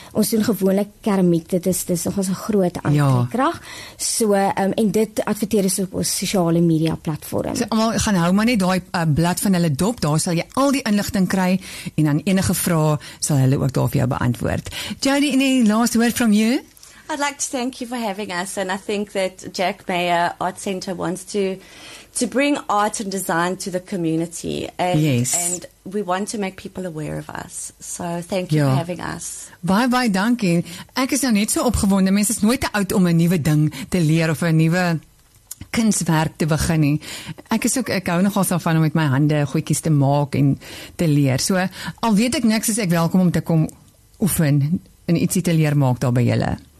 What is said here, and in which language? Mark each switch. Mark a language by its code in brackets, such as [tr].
[af] Ons doen gewoonlik keramiek, dit is nogals 'n groot aantrekkrag. So en dit adverteer ons op ons sosiale media platform. So almal gaan hou maar net daai blad van hulle dop, daar sal jy al die inligting kry en dan enige vrae sal hulle ook daar vir jou beantwoord. [en] Jody, any last word from you? I'd like to thank you for having us, and I think that Jack Meyer Art Centre wants to bring art and design to the community, and and we want to make people aware of us. So thank you for having us. Bye bye, dankie. [af] Ek is nou net so opgewonde. Mense is nooit te oud om 'n nuwe ding te leer of 'n nuwe kunstwerk te begin nie. Ek hou nogal daarvan om met my hande goedjies te maak en te leer. So, al weet ek niks, is ek welkom om te kom oefen en ietsie te leer maak daar by julle.